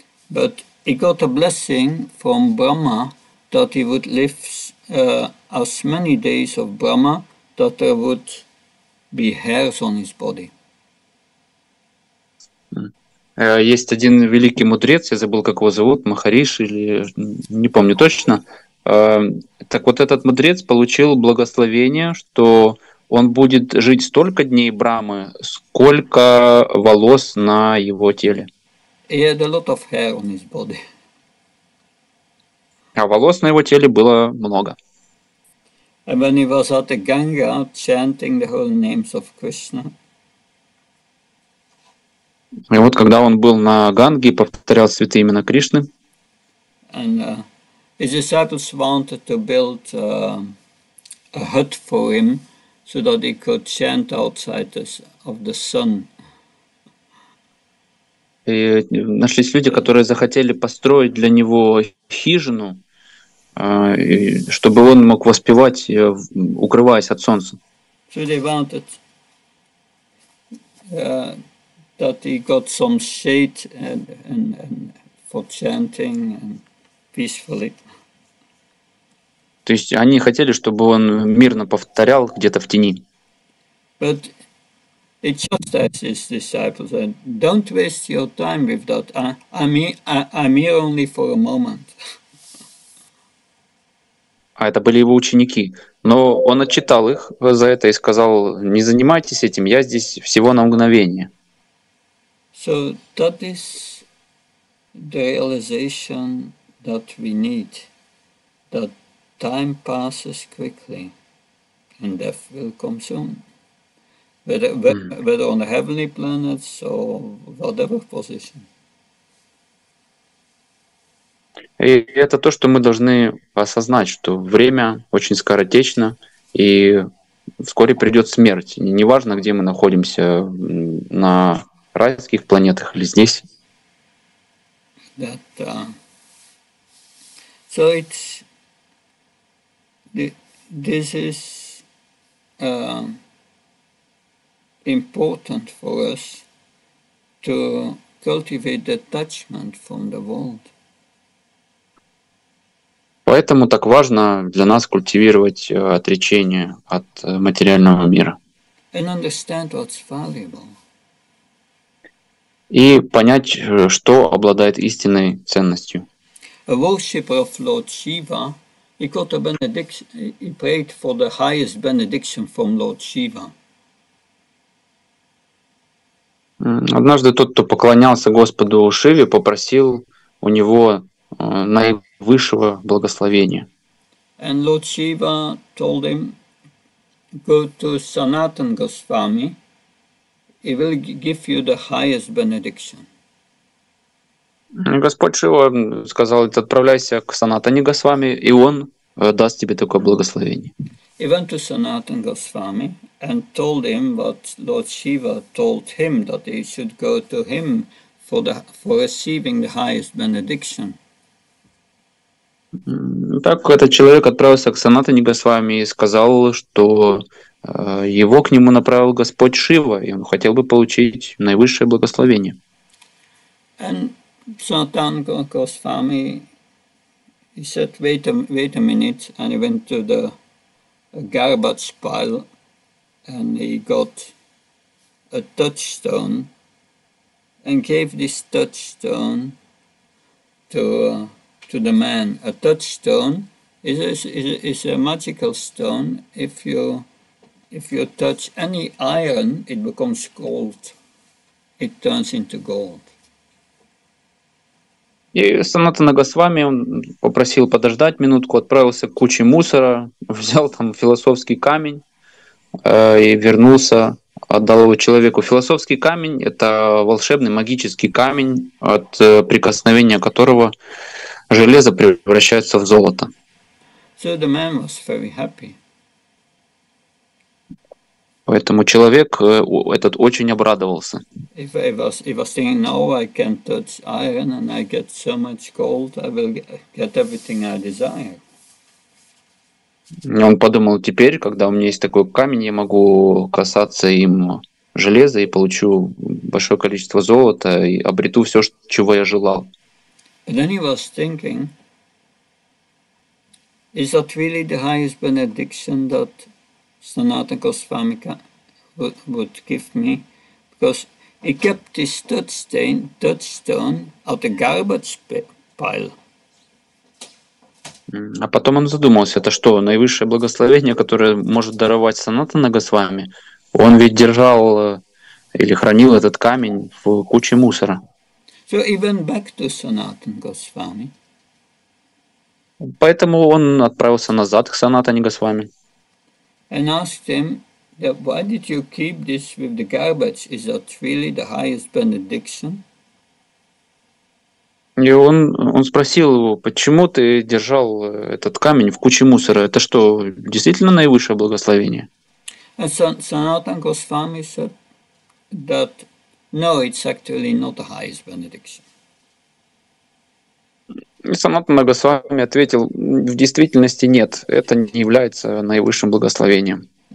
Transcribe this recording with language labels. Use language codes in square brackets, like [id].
[en] But he got a blessing from Brahma that he would live as many days of Brahma that there would be hairs on his body. [ru] Есть один великий мудрец, я забыл, как его зовут, Махариши, или не помню точно. Так вот, этот мудрец получил благословение, что он будет жить столько дней Брамы, сколько волос на его теле. [en] He had a lot of hair on his body. [ru] А волос на его теле было много. [en] And when he was at the Ganga, chanting the holy names of Krishna. [ru] И вот когда он был на Ганге и повторял святые имена Кришны, [en] and his disciples wanted to build a hut for him so that he could chant outside of the sun. [ru] И нашлись люди, которые захотели построить для него хижину, чтобы он мог воспевать, укрываясь от солнца. [en] So they wanted that he got some shade and for chanting and peacefully. [ru] То есть они хотели, чтобы он мирно повторял где-то в тени. [en] But he just asked his disciples, don't waste your time with that. I'm here only for a moment. [ru] А это были его ученики. Но он отчитал их за это и сказал: не занимайтесь этим, я здесь всего на мгновение. [en] So that is the realization that we need, that time passes quickly and death will come soon, whether on the heavenly planets or whatever position. [ru] И это то, что мы должны осознать, что время очень скоротечно, и вскоре придет смерть. Неважно, где мы находимся, на райских планетах или здесь. [en] So it's this is important for us to cultivate detachment from the world. [ru] Поэтому так важно для нас культивировать отречение от материального мира. [en] And understand what's valuable. [ru] И понять, что обладает истинной ценностью. [en] A worshipper of Lord Shiva, he got a benediction, he prayed for the highest benediction from Lord Shiva. [ru] Однажды тот, кто поклонялся Господу Шиве, попросил у него наивысшего благословения. [en] And Lord Shiva told him, go to Sanatan Goswami, he will give you the highest benediction. [ru] Господь Шива сказал, отправляйся к Санатане Госвами, и он даст тебе такое благословение. [en] He went to Sanatan Goswami and told him what Lord Shiva told him, that he should go to him for the for receiving the highest benediction. [ru] Так этот человек отправился к Санатане Госвами и сказал, что его к нему направил Господь Шива, и он хотел бы получить наивысшее благословение. [en] And Sanatan Goswami, he said, wait a minute, and he went to the garbage pile and he got a touchstone and gave this touchstone to the man. A touchstone is a magical stone. If you touch any iron, it becomes gold. It turns into gold. [ru] И Санатана Госвами, он попросил подождать минутку, отправился к куче мусора, взял там философский камень и вернулся, отдал его человеку. Философский камень — это волшебный магический камень, от прикосновения которого железо превращается в золото. [en] So the man was very happy. [ru] Поэтому человек этот очень обрадовался. [en] If I was thinking, no, I can touch iron and I get so much gold, I will get everything I desire. [ru] Он подумал, теперь, когда у меня есть такой камень, я могу касаться им железа и получу большое количество золота и обрету все, чего я желал. [en] But then he was thinking, is that really the highest benediction that Sanatana Goswami would give me, because he kept this touchstone at the garbage pile. [ru] А потом он задумался, это что, наивысшее благословение, которое может даровать Санатана Госвами? Он ведь держал или хранил этот камень в куче мусора. [en] So he went back to Sanatana Goswami. [ru] Поэтому он отправился назад к Санатане Госвами. [en] And asked him, why did you keep this with the garbage? Is that really the highest benediction? [ru] И он спросил его, почему ты держал этот камень в куче мусора? Это что, действительно наивысшее благословение? [en] And Sanatana Goswami said that, no, it's actually not the highest benediction. [ru] Санатана Госвами ответил, в действительности нет, это не является наивысшим благословением.